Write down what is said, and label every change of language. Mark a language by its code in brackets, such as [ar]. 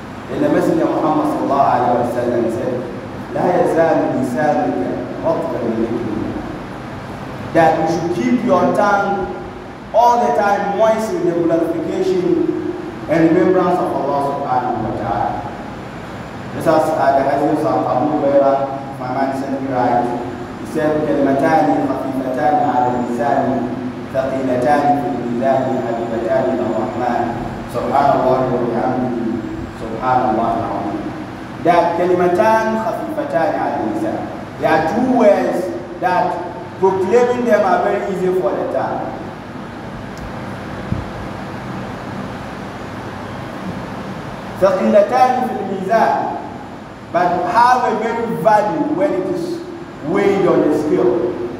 [en] And the Messenger Muhammad sallallahu alayhi wa sallam said, [ar] لا يزال لسانك رطبا لذكر الله. [en] That you should keep your tongue all the time moist in the glorification and remembrance of Allah subhanahu wa ta'ala. This is the hadith of Abu Huraira, my man sent me right. He said, [ar] كلمتان خفيفتان على اللسان ثقيلتان في الميزان حبيبتان الرحمن سبحان الله وبحمده. سبحان الله العظيم. [en] That [ar] كلمتان خفيفتان على الإنسان. [en] There are two words that proclaiming them are very easy for the tongue. [ar] ثقيلتان في الميزان [en] but have a very value when it is weighed on the scale.